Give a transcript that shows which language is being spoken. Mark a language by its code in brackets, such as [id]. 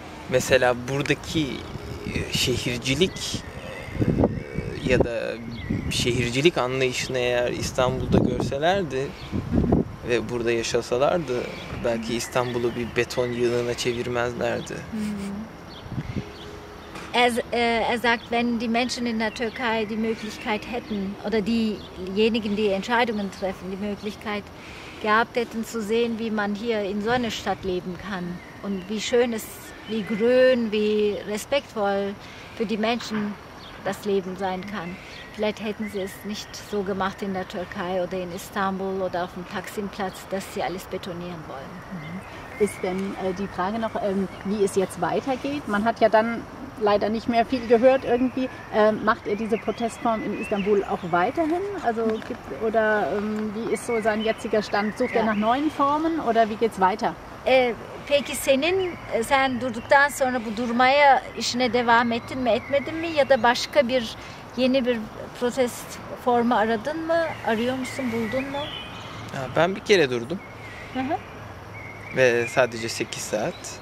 [tr] Mesela buradaki şehircilik ya da şehircilik anlayışını eğer İstanbul'da görselerdi ve burada yaşasalardı, belki İstanbul'u bir beton yığınına çevirmezlerdi. [de] Er sagt, wenn die Menschen in der Türkei die Möglichkeit hätten oder diejenigen, die Entscheidungen treffen, die Möglichkeit gehabt hätten zu sehen, wie man hier in so einer Stadt leben kann und wie schön es, wie grün, wie respektvoll für die Menschen das Leben sein kann. Vielleicht hätten sie es nicht so gemacht in der Türkei oder in Istanbul oder auf dem Taksim-Platz, dass sie alles betonieren wollen. Ist denn die Frage noch, wie es jetzt weitergeht? Man hat ja dann leider nicht mehr viel gehört irgendwie. Macht ihr diese Protestform in Istanbul auch weiterhin? Also gibt, oder wie ist so sein jetziger Stand? Sucht er nach neuen Formen oder wie geht's weiter? [tr] Peki senin, sen durduktan sonra bu durmaya işine devam ettin mi, etmedin mi? Ya da başka bir, yeni bir protest formu aradın mı? Arıyor musun, buldun mu? Ben bir kere durdum. Ve sadece 8 saat.